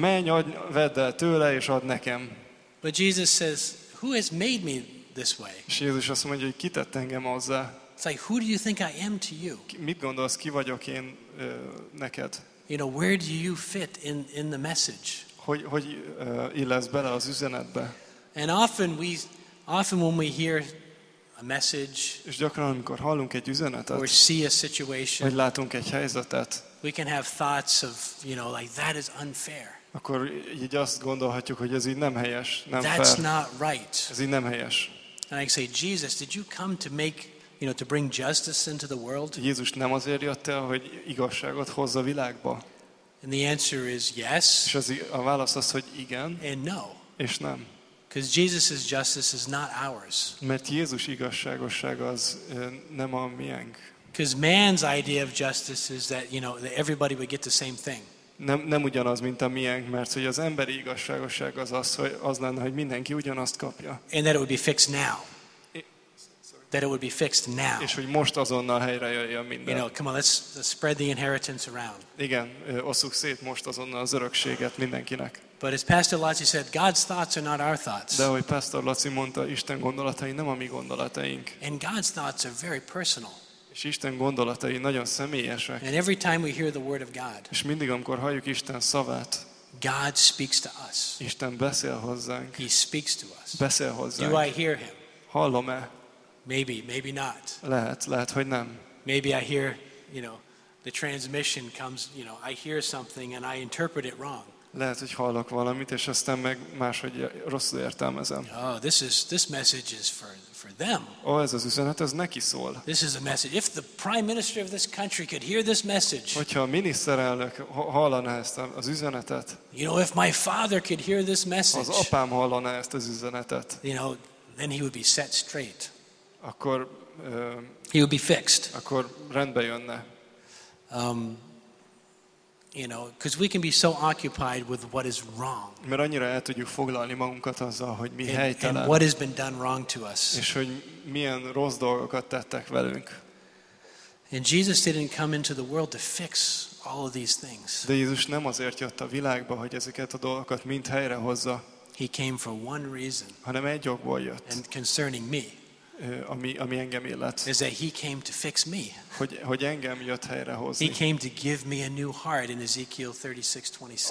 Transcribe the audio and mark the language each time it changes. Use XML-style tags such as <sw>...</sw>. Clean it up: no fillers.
<hu>Menj, vedd el tőle és add nekem.</hu> <en>But Jesus says, who has made me this way?</en> <hu>És Jézus azt mondja, hogy ki tett engem azzá.</hu> <en>It's like, who do you think I am to you?</en> <hu>Mit gondolsz, ki vagyok én neked?</hu> <en>You know, where do you fit in the message?</en> <hu>Hogy illesz bele az üzenetbe?</hu> <en>And often when we hear a message,</en> <hu>és gyakran, amikor hallunk egy üzenetet,</hu> <en>or see a situation,</en> <hu>vagy látunk egy helyzetet,</hu> <en>we can have thoughts of, you know, like that is unfair.</en> <hu>Akkor így azt gondolhatjuk, hogy ez így nem helyes, nem fair.</hu> <en>That's not right.</en> <hu>Ez így nem helyes.</hu> <en>And I say, Jesus, did you come to make, you know, to bring justice into the world?</en> <hu>Jézus nem azért jött el, hogy igazságot hozza világba.</hu> <en>And the answer is yes.</en> <hu>És az a válasz az, hogy igen.</hu> <en>And no.</en> <hu>És nem.</hu> <en>Because Jesus's justice is not ours.</en> <hu>Mert Jézus igazságosság az nem a miénk.</hu> <en>Because man's idea of justice is that, you know, that everybody would get the same thing.</en> <hu>Nem ugyanaz, mint a miénk, mert hogy az emberi igazságosság az, hogy az lenne, hogy mindenki ugyanazt kapja.</hu> <en>And that it would be fixed now. That it would be fixed now.</en> <hu>És hogy most azonnal helyre jöjjön minden.</hu> <en>You know, come on, let's spread the inheritance around.</en> <hu>Igen, osszuk szét most azonnal az örökséget mindenkinek.</hu> <en>But as Pastor Laci said, God's thoughts are not our thoughts.</en> <hu>De ahogy Pastor Laci mondta, Isten gondolatai nem a mi gondolataink.</hu> <en>And God's thoughts are very personal.</en> <hu>És Isten gondolatai nagyon személyesek.</hu> <en>And every time we hear the word of God.</en> <hu>És mindig amikor halljuk Isten szavát.</hu> <en>God speaks to us.</en> <hu>Isten beszél hozzánk.</hu> <en>He speaks to us.</en> <hu>Beszél hozzánk.</hu> <en>Do I hear him?</en> <hu>Hallom-e?</hu> <en>Maybe, maybe not.</en> <hu>Lehet, hogy nem.</hu> <en>Maybe I hear, you know, the transmission comes, you know, I hear something and I interpret it wrong.</en> <hu>Lehet, hogy hallok valamit, és aztán meg máshogy rosszul értelmezem.</hu> <en>Oh, this message is for them.</en> <hu>Oh, ez az üzenet, ez neki szól.</hu> <en>This is a message. If the prime minister of this country could hear this message.</en> <hu>Hogyha a miniszterelnök hallaná ezt az üzenetet.</hu> <en>You know, if my father could hear this message.</en> <hu>Az apám hallaná ezt az üzenetet.</hu> <en>You know, then he would be set straight.</en> <hu>Akkor</hu> <en>he would be fixed.</en> <hu>Akkor rendbe jönne.</hu> <en>You know, because we can be so occupied with what is wrong.</en> <hu>Mert annyira el tudjuk foglalni magunkat azzal, hogy mi helytelen.</hu> <en>And what has been done wrong to us.</en> <hu>És hogy milyen rossz dolgokat tettek velünk.</hu> <en>And Jesus didn't come into the world to fix all of these things.</en> <hu>De Jézus nem azért jött a világba, hogy ezeket a dolgokat mind helyrehozza.</hu> <en>He came for one reason.</en> <hu>Hanem egy okból jött.</hu> <en>And concerning me.</en> <hu>Ami engem illet.</hu> <en>Is that he came to fix me.</en> <hu>Hogy engem jött helyrehozni.</hu> <en>He came to give me a new heart in Ezekiel 36:26.</en>